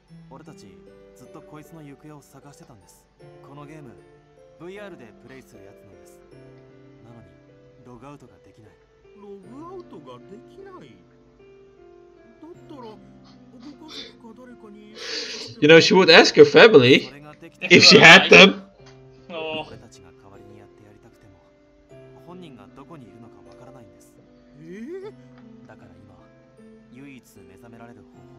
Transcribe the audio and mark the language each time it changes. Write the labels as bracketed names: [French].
[Japanese] この行方を探してたんです。このゲーム、VR でプレイするやつなんです。なのに、ログアウトができない。ログアウトができない？だったら、ご家族か誰かに。 [English] You know, she would ask her family if she had them. [Japanese] 俺たちが代わりにやってやりたくても、本人がどこにいるのかわからないんです。だから今、唯一目覚められる方法。